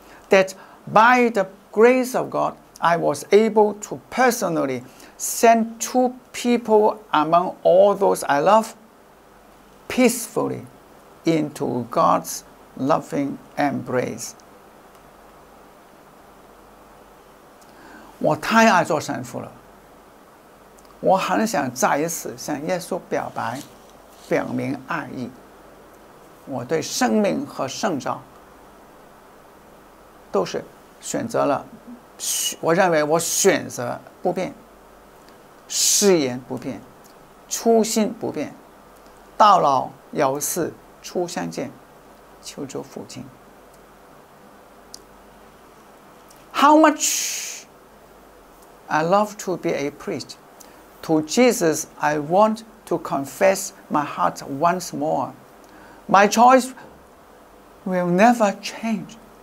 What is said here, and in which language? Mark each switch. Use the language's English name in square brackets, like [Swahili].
[English] That by the grace of God, I was able to personally send two people among all those I love peacefully into God's loving embrace. [Chinese] 我太爱做神父了，我很想再一次向耶稣表白，表明爱意。我对生命和圣召都是选择了，我认为我选择不变，誓言不变，初心不变，到老有事初相见，求主父亲。 [English] How much I love to be a priest. To Jesus, I want to confess my heart once more. My choice will never change.